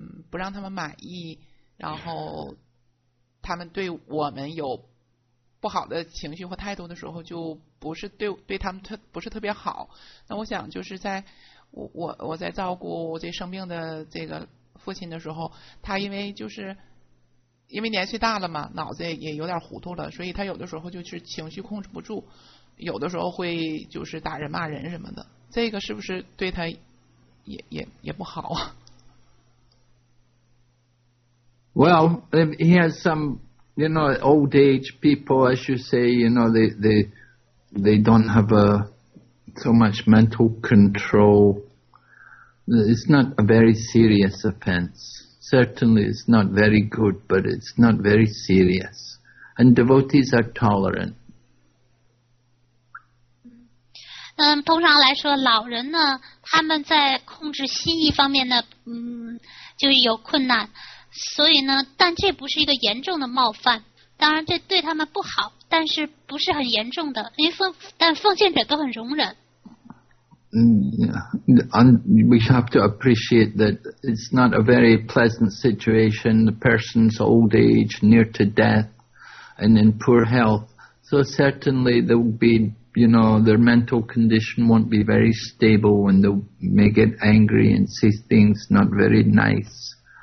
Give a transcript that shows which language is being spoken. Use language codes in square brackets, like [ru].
[zh] 不让他们满意，然后他们对我们有不好的情绪或态度的时候，就不是对他们不是特别好，那我想就是在我在照顾我这生病的这个父亲的时候，他因为年岁大了嘛，脑子也有点糊涂了，所以他有的时候就是情绪控制不住，有的时候会就是打人骂人什么的，这个是不是对他也不好啊？ [en] Well, he has some, you know, old age people, as you say, you know, they don't have so much mental control. It's not a very serious offense. Certainly it's not very good, but it's not very serious. And devotees are tolerant. [zh] 通常来说老人呢他们在控制心意方面呢就是有困难。所以呢但这不是一个严重的冒犯。当然这对他们不好但是不是很严重的。因为奉献者都很容忍。 [en] We have to appreciate that it's not a very pleasant situation, the person's old age, near to death, and in poor health. So certainly there will be, you know, their mental condition won't be very stable and they may get angry and say things not very nice.